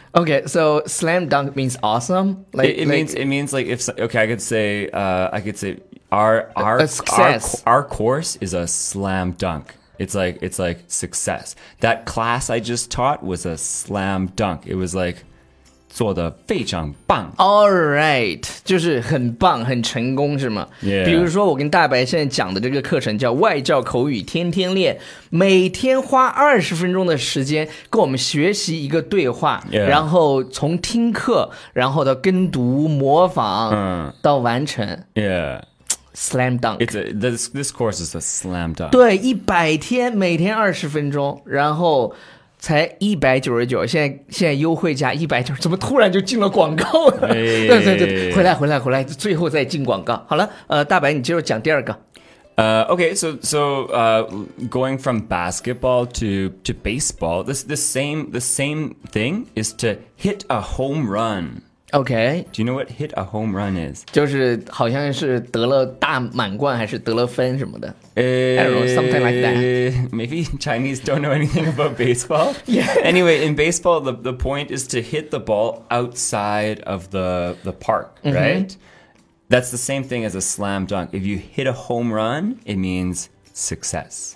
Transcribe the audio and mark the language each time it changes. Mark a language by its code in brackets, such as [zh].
[en] Okay, so slam dunk means awesome? I could say our course is a slam dunk. It's like success. That class I just taught was a slam dunk. It was like, [zh] 做得非常棒 [en] All right, [zh] 就是很棒很成功是吗 [en] Yeah. [zh] 比如说我跟大白现在讲的这个课程叫外教口语天天练，每天花20分钟的时间跟我们学习一个对话 [en] Yeah. [zh] 然后从听课然后到跟读模仿到完成 [en] Yeah. Slam dunk. This course is a slam dunk. [zh] 对，一百天，每天二十分钟，然后才199。现在优惠价190，怎么突然就进了广告了？哎、对，回来，最后再进广告。好了，大白，你接着讲第二个。 [en] Okay, so going from basketball to baseball, the same thing is to hit a home run. Okay. Do you know what hit a home run is? [zh] 就是好像是得了大满贯还是得了分什么的。 [en] Something like that. Maybe Chinese don't know anything about baseball. Yeah. Anyway, in baseball, the point is to hit the ball outside of the park, right? That's the same thing as a slam dunk. If you hit a home run, it means success.